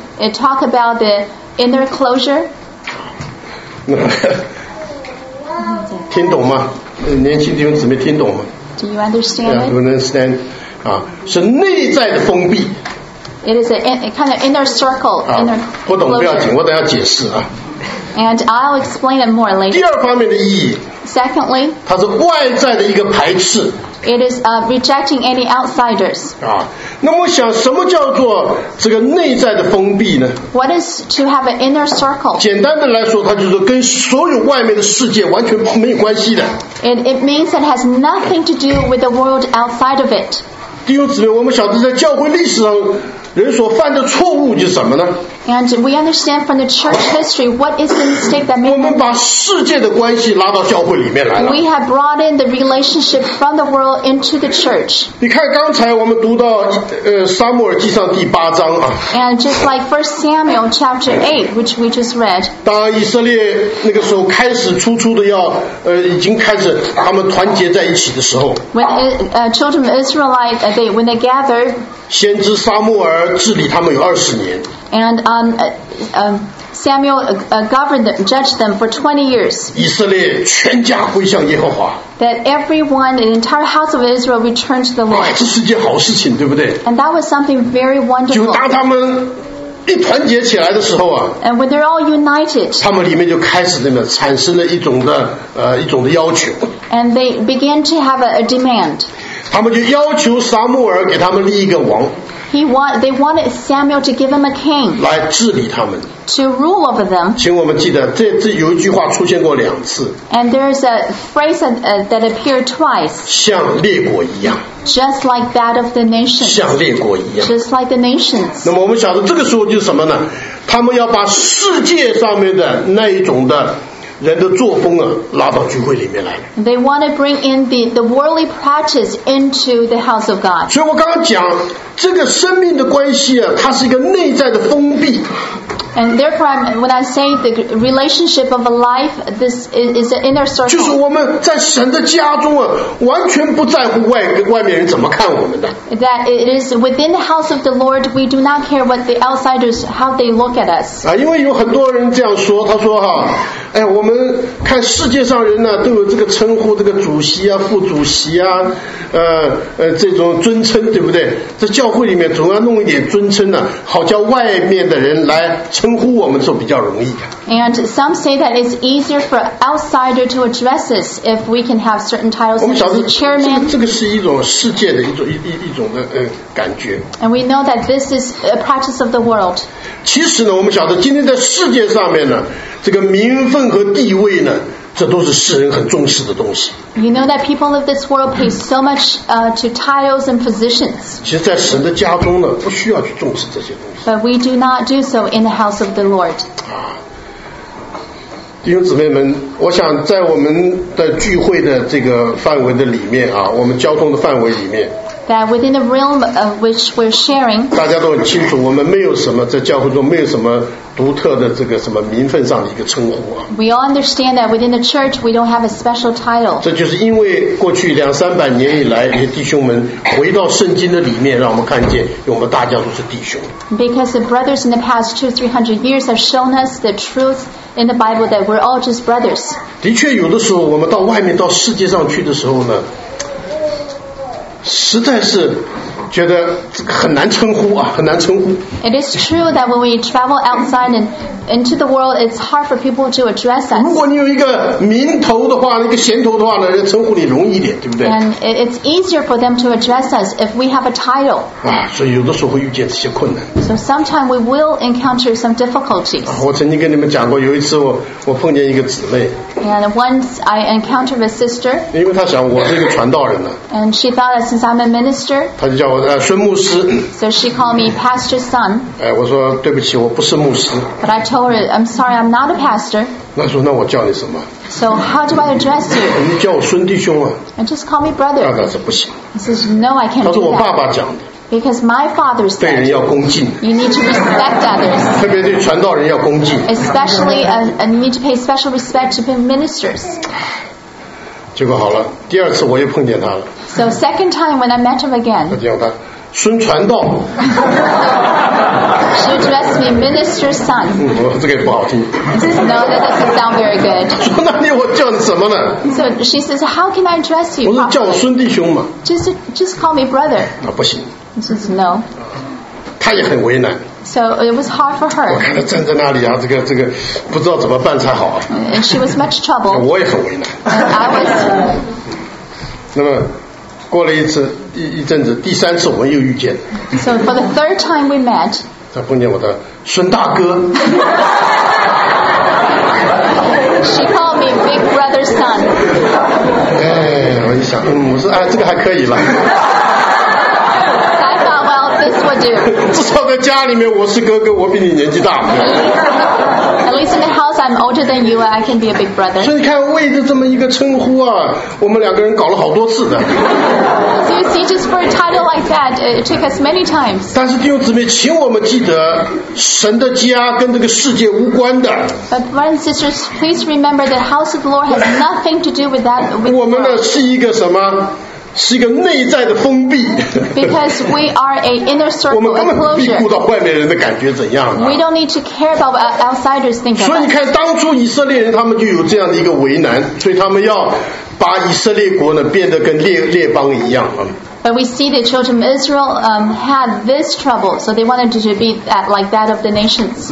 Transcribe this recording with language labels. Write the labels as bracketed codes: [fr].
[en] it talk about the inner closure. [zh] 听懂吗？年轻弟兄姊妹听懂吗？ [en] Do you understand? Yeah, you understand. [zh] 啊，是内在的封闭。 [en] It is a kind of inner circle. [zh] 啊，不懂不要紧，我等下解释啊。 [en] And I'll explain it more later. [zh] 第二方面的意义。 [en] Secondly, [zh] 它是外在的一个排斥。 [en] It is rejecting any outsiders. [zh] 啊，那么我想，什么叫做这个内在的封闭呢 [en] ？What is to have an inner circle? [zh] 简单的来说，它就是跟所有外面的世界完全没有关系的。 [en] It means it has nothing to do with the world outside of it. [zh] 弟兄姊妹，我们晓得在教会历史上，人所犯的错误是什么呢 [en] ？And we understand from the church history what is the mistake that made. [zh] 我们把世界的关系拉到教会里面来了。 [en] We have brought in the relationship from the world into the church. [zh] 你看刚才我们读到撒母耳记上第八章啊。 [en] And just like 1 Samuel chapter 8, which we just read. [zh] 当以色列那个时候开始初初的要已经开始他们团结在一起的时候。 [en] When children of Israelite when they gathered. [zh] 先知撒母耳治理他们有20年。 [en] And Samuel governed them, judged them for 20 years. [zh] 以色列全家归向耶和华。 [en] That everyone, the entire house of Israel, returned to the Lord. [zh] 这是件好事情，对不对 [en] ？And that was something very wonderful. [zh] 就当他们一团结起来的时候啊 [en] ，And when they're all united, [zh] 他们里面就开始那个产生了一种的要求。 [en] And they began to have a demand. [zh] 他们就要求撒母耳给他们立一个王。 [en] They wanted Samuel to give him a king [zh] 来治理他们 [en] to rule over them. [zh] 请我们记得 这有一句话出现过两次 [en] and there is a phrase that appeared twice [zh] 像列国一样 [en] just like that of the nations [zh] 像列国一样 [en] just like the nations [zh] 那么我们晓得这个时候就是什么呢他们要把世界上面的那一种的人的作风啊，拉到聚会里面来。 [en] They want to bring in the worldly practice into the house of God. [zh] 所以我刚刚讲这个生命的关系啊，它是一个内在的封闭。 [en] And therefore, when I say the relationship of a life, this is an inner circle. [zh] 就是我们在神的家中啊，完全不在乎外面人怎么看我们的。 [en] That it is within the house of the Lord, we do not care what the outsiders how they look at us. [zh] 啊，因为有很多人这样说，他说哈，哎，我们看世界上人呢、啊、都有这个称呼，这个主席啊、副主席啊，这种尊称，对不对？在教会里面总要弄一点尊称呢、啊，好叫外面的人来。称呼我们就比较容易。 [en] And some say that it's easier for outsider to address us if we can have certain titles such as chairman. [zh] 这个是一种世界的一种的感觉。 [en] And we know that this is a practice of the world. [zh] 其实呢，我们晓得今天在世界上面呢，这个名分和地位呢，这都是世人很重视的东西。 [en] You know that people of this world pay so much to titles and positions. [zh] 其实在神的家中呢，不需要去重视这些东西。 [en] But we do not do so in the house of the Lord. [zh] 弟兄姊妹们，我想在我们的聚会的这个范围的里面啊，我们交通的范围里面， [en] that within the realm of which we're sharing, [zh] 大家都很清楚，我们没有什么在教会中没有什么独特的这个什么名分上的一个称呼啊。 [en] We all understand that within the church we don't have a special title. [zh] 这就是因为过去两三百年以来，这些弟兄们回到圣经的里面，让我们看见，我们大家都是弟兄。 [en] Because the brothers in the past 200-300 years have shown us the truth in the Bible that we're all just brothers. [zh] 的确，有的时候我们到外面到世界上去的时候呢，实在是觉得很难称呼啊，很难称呼。 [en] It is true that when we travel outside and into the world, it's hard for people to address us. [zh] 如果你有一个名头的话，一个闲头的话呢，人称呼你容易一点，对不对？ [en] And it's easier for them to address us if we have a title. [zh] 啊，所以有的时候会遇见这些困难。 [en] So sometimes we will encounter some difficulties. [zh] 啊，我曾经跟你们讲过，有一次我碰见一个姊妹。 [en] And once I encountered a sister. [zh] 因为她想我是一个传道人呢。 [en] And she thought that since I'm a minister. [zh] 她就叫孙牧师。 [en] So she called me pastor's son. [zh] 哎，我说对不起，我不是牧师。 [en] But I told her, I'm sorry, I'm not a pastor. [zh] 那说那我叫你什么？ [en] So how do I address you? [zh] 你叫我孙弟兄啊。 [en] And just call me brother. [zh] 那是不行。 [en] He says no, I can't. [zh] 他说我爸爸讲的。 [en] Because my father said. [zh] 对人要恭敬。 [en] You need to respect others. [zh] 特别对传道人要恭敬。 [en] Especially, you need to pay special respect to ministers. [zh] 结果好了，第二次我又碰见他了。 [en] So second time when I met him again. [zh] 他叫他孙传道。 [en] She addressed me, minister's son. [zh] 我这个也不好听。 [en] He says, no, that doesn't sound very good. [zh] 说那你我叫你什么呢？ [en] So she says, how can I address you? [zh] 我说叫我孙弟兄嘛。 [en] Just call me brother. [zh] 啊，不行。 [en] He says, no. [zh] 他也很为难。 [en] So it was hard for her. [zh] 我看他站在那里啊，这个不知道怎么办才好啊。 [en] And she was much trouble. [zh] 我也很为难。 [en] And I was. [zh] 那么。过了一次一阵子，第三次我又遇见。 [en] So for the third time we met. [zh] 他碰见我的孙大哥。 [en] She called me big brother's son. [zh] 哎，我一想，我说哎，这个还可以了。 [en] I thought, well, this would do. [zh] 至少在家里面我是哥哥，我比你年纪大。 [en] At least in the house, I'm older than you, and I can be a big brother. [zh] 所以你看，为着这么一个称呼啊，我们两个人搞了好多次的。 [en] So you see, just for a title like that, it took us many times. [zh] 但是弟兄姊妹，请我们记得，神的家跟这个世界无关的。 [en] But brothers and sisters, please remember that house of the Lord has nothing to do with that. [zh] 我们呢是一个什么？是一个内在的封闭。 [en] Because we are an inner circle enclosure. [zh] 我们根本不必顾到外面人的感觉怎样的。 [en] We don't need to care about outsiders thinking. [zh] 所以你看，当初以色列人他们就有这样的一个为难，所以他们要把以色列国呢变得跟列邦一样啊。 [en] But we see the children of Israel had this trouble, so they wanted to be like that of the nations.